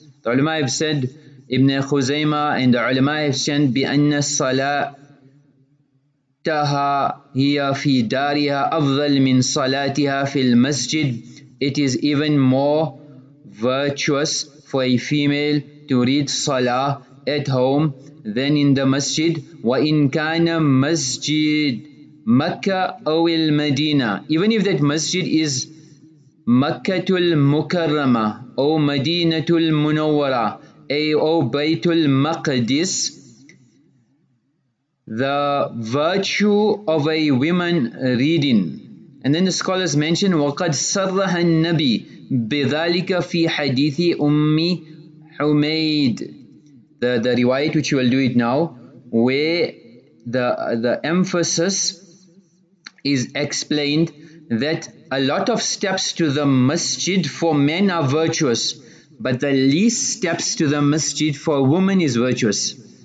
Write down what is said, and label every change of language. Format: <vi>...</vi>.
<en>The ulama have said, Ibn Khuzaimah and the ulama have said,</en> <ar>بِأَنَّ الصَّلَاةِ تَهَا هِيَ فِي دَارِهَا أَفْضَلْ مِنْ صَلَاتِهَا فِي الْمَسْجِدِ.</ar> <en>It is even more virtuous for a female to read salah at home than in the masjid.</en> <ar>وَإِنْ كَانَ مَسْجِدْ مَكَّةَ أَوِ الْمَدِينَةِ.</ar> <en>Even if that masjid is مَكَّةُ الْمُكَرَّمَةِ أو مَدِينَةُ الْمُنَوَّرَةِ أو بَيْتُ الْمَقْدِسِ. The virtue of a woman reading. And then the scholars mention,</en> <ar>وَقَدْ صَرَّحَ النَّبِي بِذَلِكَ فِي حَدِيثِ أُمِّ حُمَيْد.</ar> <en>The riwayat, which we will do it now, where the emphasis is explained that a lot of steps to the masjid for men are virtuous, but the least steps to the masjid for a woman is virtuous.</en>